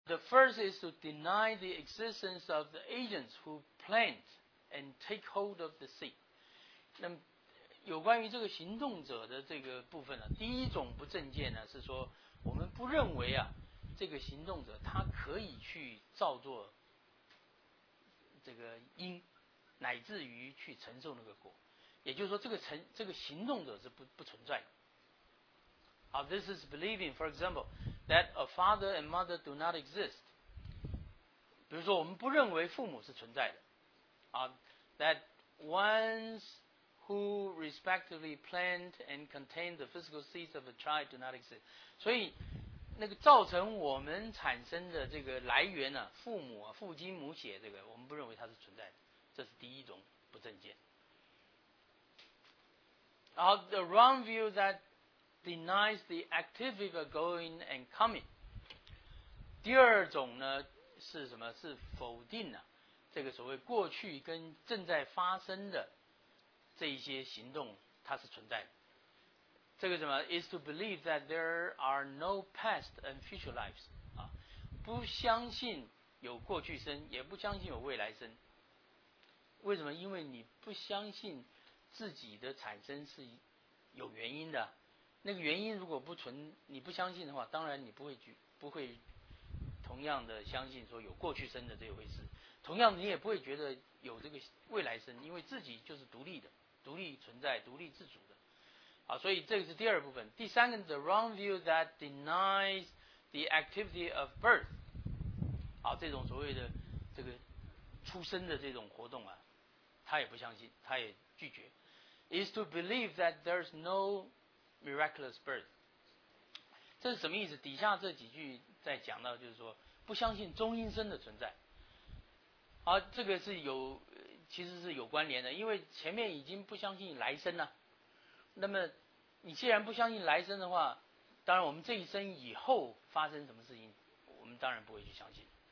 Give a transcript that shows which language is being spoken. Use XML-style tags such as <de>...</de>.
<en>The first is to deny the existence of the agents who plant and take hold of the seed.</en> <zh>那有关于这个行动者的这个部分呢，第一种不正见呢是说，我们不认为啊，这个行动者他可以去造作这个因，乃至于去承受那个果。也就是说，这个行动者是不存在的。</zh> <en>Oh, this is believing, for example, that a father and mother do not exist.</en> <zh>比如说，我们不认为父母是存在的。</zh> <en>That ones who respectively plant and contain the physical seeds of a child do not exist.</en> <zh>所以，那个造成我们产生的这个来源呢、啊，父母、啊、父精母血，这个我们不认为它是存在的。这是第一种不正见。</zh> <en>The wrong view that denies the activity of going and coming.</en> <zh>第二种呢是什么？是否定了、这个所谓过去跟正在发生的这一些行动，它是存在的。这个什么</zh> <en>？Is to believe that there are no past and future lives.</en> <zh>啊，不相信有过去生，也不相信有未来生。为什么？因为你不相信自己的产生是有原因的，那个原因如果不存，你不相信的话，当然你不会同样的相信说有过去生的这回事，同样你也不会觉得有这个未来生，因为自己就是独立的，独立存在，独立自主的。好，所以这个是第二部分。第三个 ，</zh> <en>the wrong view that denies the activity of birth，</en> <zh>好，这种所谓的这个出生的这种活动啊，他也不相信，他也拒绝。</zh> <en>Is to believe that there's no miraculous birth.</en> <zh>这是什么意思？底下这几句在讲到，就是说不相信中阴身的存在。好，这个是有，其实是有关联的，因为前面已经不相信来生了。那么你既然不相信来生的话，当然我们这一生以后发生什么事情，我们当然不会去相信。</zh>